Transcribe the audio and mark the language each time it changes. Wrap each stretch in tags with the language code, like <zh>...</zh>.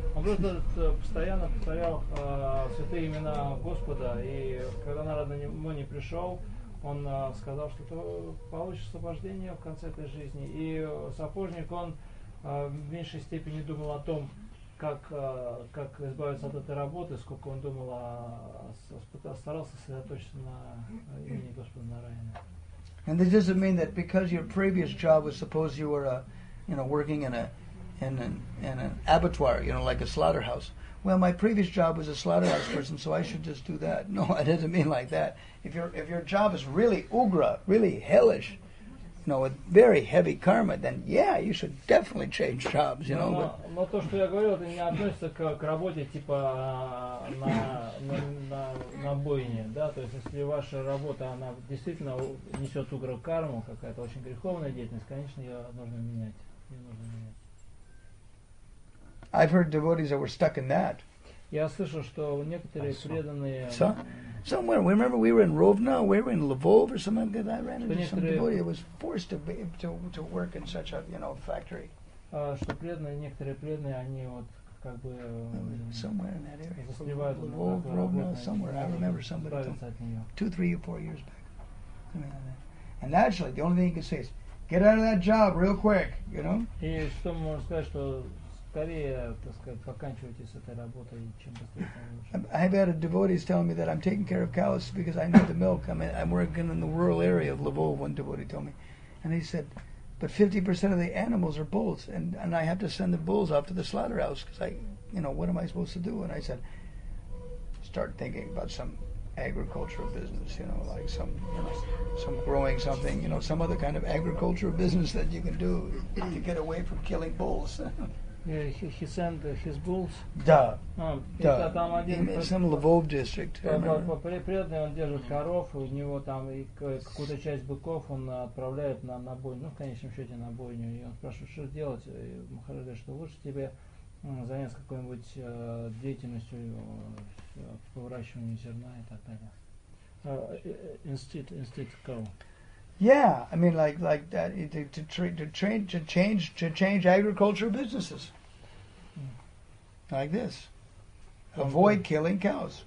<ru>Он просто постоянно повторял святые имена Господа, и когда Нарада Муни пришел, он сказал, что ты получишь освобождение в конце этой жизни. И сапожник, он в меньшей степени думал о том, как избавиться от этой работы, сколько он думал, старался сосредоточиться на имени Господа Нараяны.</ru> <en>And this doesn't mean that because your previous job was, suppose you were, you know, working in an abattoir, you know, like a slaughterhouse. Well, my previous job was a slaughterhouse person, so I should just do that. No, it doesn't mean like that. If your job is really ugra, really hellish, you know, with very heavy karma, then yeah, you should definitely change jobs, you know.</en> <ru>Но то, что я говорю, это не относится к работе типа на бойне, да. То есть, если ваша работа, она действительно несет угрозу карму, какая-то очень греховная деятельность, конечно, ее нужно менять.</ru> <en>I've heard devotees that were stuck in that.</en> <ru>Я слышал, что некоторые преданные.</ru> <en>Somewhere, remember we were in Rovno, we were in Lvov or something like that. I ran into some devotee who was forced to work in such a, you know, factory.</en> <ru>Что преданные, некоторые преданные, они вот как бы.</ru> <en>Somewhere in that area. Lvov, Rovno, somewhere. I remember somebody. Two, 3 or 4 years back. And naturally, the only thing you can say is, get out of that job real quick, you know.</en> <ru>И что мы можем сказать, что скорее, так сказать, поканчивайте с этой работой, чем быстрее.</ru> <en>I've had a devotee telling me that I'm taking care of cows because I need the milk. I mean, I'm working in the rural area of Lvov, one devotee told me. And he said, but 50% of the animals are bulls, and I have to send the bulls off to the slaughterhouse because I, you know, what am I supposed to do? And I said, start thinking about some agricultural business, you know, like some, you know, some growing something, you know, some other kind of agricultural business that you can do to get away from killing bulls. He sent his bulls.</en> <ru>Да. Да.</ru> <en>In some Lvov district.</en> <ru>Преданный, он держит коров, у него там и какую-то часть быков он отправляет на бойню, ну, в конечном счете на бойню. И он спрашивает, что делать. И Махараш говорит, что лучше тебе заняться какой-нибудь деятельностью по выращиванию зерна и так далее.</ru> <en>Instead cow. Yeah, I mean, like that to change agricultural businesses, like this, avoid killing cows.</en>